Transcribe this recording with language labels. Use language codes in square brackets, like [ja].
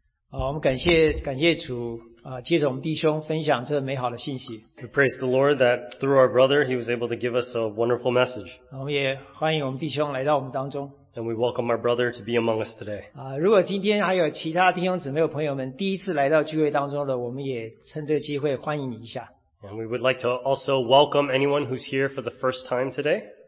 [zh] 我们感谢主接着我们弟兄分享这美好的信息。 [en] We praise the Lord that through our brother he was able to give us a wonderful message. [zh] 我们也欢迎我们弟兄来到我们当中。 [en] And we welcome our brother to be among us today. [zh] 如果今天还有其他弟兄姊妹朋友们第一次来到聚会当中的，我们也趁这个机会欢迎你一下。 [en] And we would like to also welcome anyone who's here for the first time today.